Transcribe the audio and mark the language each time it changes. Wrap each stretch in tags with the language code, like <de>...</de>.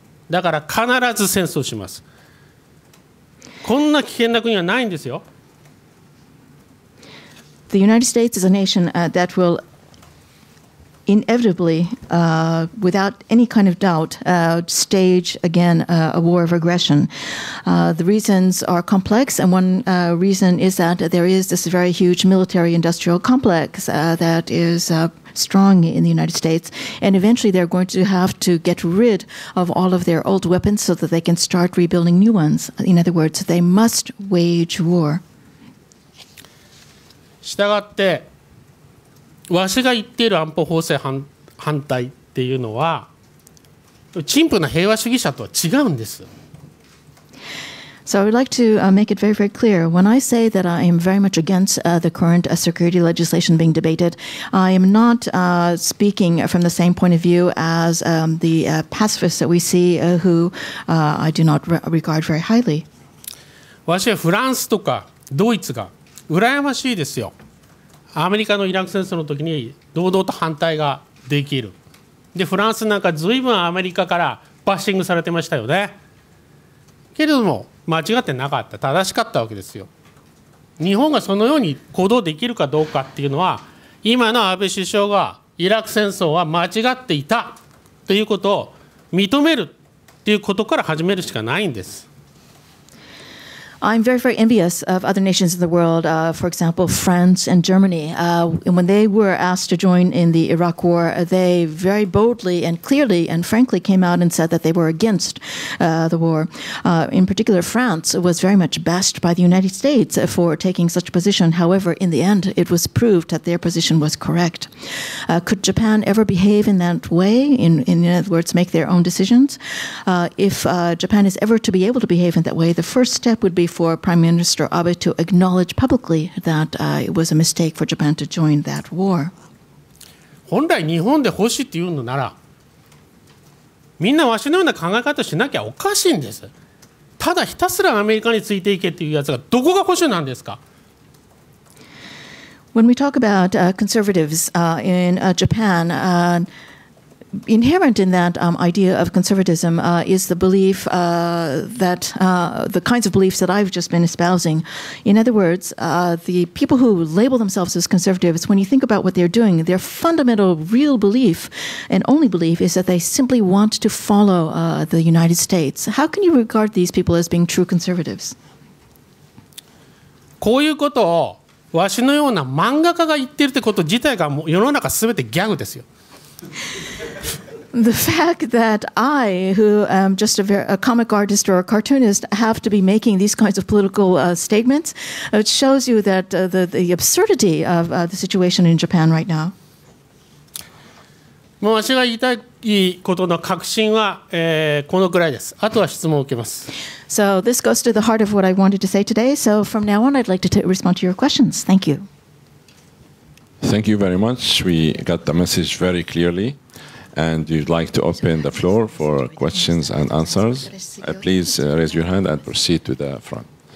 <ja>だから必ず戦争します。こんな危険な国はないんですよ。</ja> <en>The United States is a nation that willinevitably, without any kind of doubt, stage again a war of aggression. The reasons are complex, and one reason is that there is this very huge military-industrial complex that is strong in the United States, and eventually they're going to have to get rid of all of their old weapons so that they can start rebuilding new ones. In other words, they must wage war.</en> <ja>したがって、わしが言っている安保法制反対っていうのは陳腐な平和主義者とは違うんです。</ja> <en>So I would like to make it very, very clear. When I say that I am very much against the current security legislation being debated, I am not speaking from the same point of view as the pacifists that we see who I do not regard very highly.</en> <ja>わしはフランスとかドイツが羨ましいですよ。アメリカのイラク戦争の時に堂々と反対ができる。で、フランスなんかずいぶんアメリカからバッシングされてましたよね。けれども間違ってなかった、正しかったわけですよ。日本がそのように行動できるかどうかっていうのは、今の安倍首相がイラク戦争は間違っていたということを認めるっていうことから始めるしかないんです。</ja> <en>I'm very, very envious of other nations in the world. For example, France and Germany. When they were asked to join in the Iraq War, they very boldly and clearly and frankly came out and said that they were against the war. In particular, France was very much bashed by the United States for taking such a position. However, in the end, it was proved that their position was correct. Could Japan ever behave in that way? In other words, make their own decisions? If Japan is ever to be able to behave in that way, the first step would be for Prime Minister Abe to acknowledge publicly that it was a mistake for Japan to join that war.</en> <ja>本来日本で欲しいって言うのなら、みんなわしのような考え方しなきゃおかしいんです。ただひたすらアメリカについていけっていうやつがどこが保守なんですか？</ja> <en>When we talk about conservatives in Japan, inherent in that idea of conservatism is the belief that the kinds of beliefs that I've just been espousing. In other words, the people who label themselves as conservatives, when you think about what they're doing, their fundamental real belief and only belief is that they simply want to follow the United States. How can you regard these people as being true conservatives?</en> <ja>こういうことをわしのような漫画家が言ってるってこと自体がもう世の中すべてギャグですよ。</ja> <en>The fact that I, who am just a comic artist or a cartoonist, have to be making these kinds of political statements, it shows you that the absurdity of the situation in Japan right now.</en> <ja>もう私が言いたいことの核心は、このくらいです。あとは質問を受けます。</ja> <en>So this goes to the heart of what I wanted to say today. So from now on, I'd like to respond to your questions. Thank you. Thank you very much. We got the message very clearly. And you'd like to open the floor for questions and answers. Please raise your hand and proceed to the front.</en>